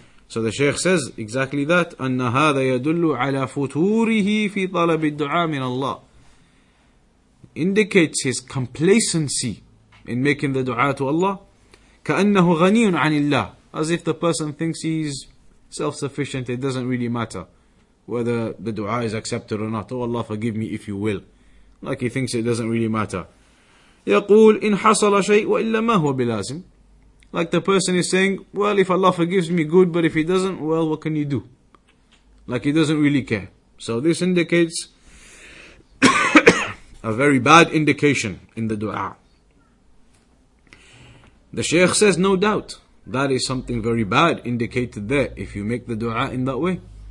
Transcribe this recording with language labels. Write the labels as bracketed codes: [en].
[en] So the Shaykh says exactly that, [ar] أن هذا يدل على فتوره في طلب الدعاء من الله. [en] Indicates his complacency in making the dua to Allah. [ar] كأنه غني عن الله. [en] As if the person thinks he's self-sufficient, it doesn't really matter whether the dua is accepted or not. Oh Allah, forgive me if you will. Like he thinks it doesn't really matter. [ar] يقول إن حصل شيء وإلا ما هو بلازم. [en] Like the person is saying, well, if Allah forgives me, good, but if he doesn't, well, what can you do? Like he doesn't really care. So this indicates a very bad indication in the dua. The Shaykh says, no doubt, that is something very bad indicated there, if you make the dua in that way.